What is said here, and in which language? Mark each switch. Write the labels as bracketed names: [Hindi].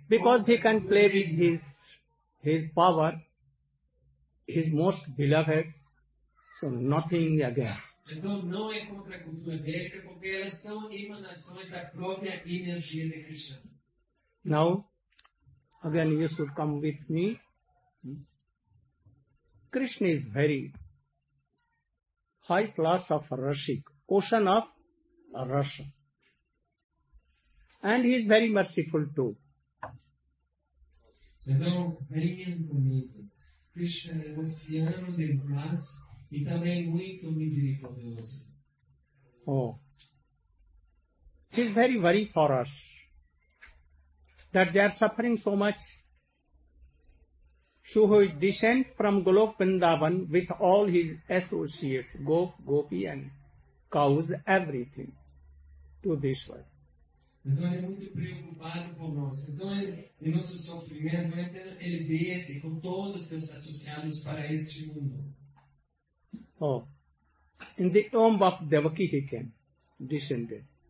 [English] Because he can play with his power, his most beloved. So nothing again. [Portuguese] Então não é contra a cultura védica porque elas são emanações da própria energia de Krishna. [English] Now, again you should come with me. Krishna is very high class of Rashik, ocean of Rasa. And he is very merciful too. [Portuguese] Então, venham comigo. Krishna é o oceano de paz e também muito misericordioso. [English] Oh. He is very worried for us that they are suffering so much. So he descends from Golok Vrindavan with all his associates, Gop, Gopi and cows, everything, to this world. [Portuguese] Então ele é muito preocupado por nós. Então ele, em nosso sofrimento, ele desce com todos os seus associados para este mundo. [English] Oh, in the womb of Devaki he came, descended.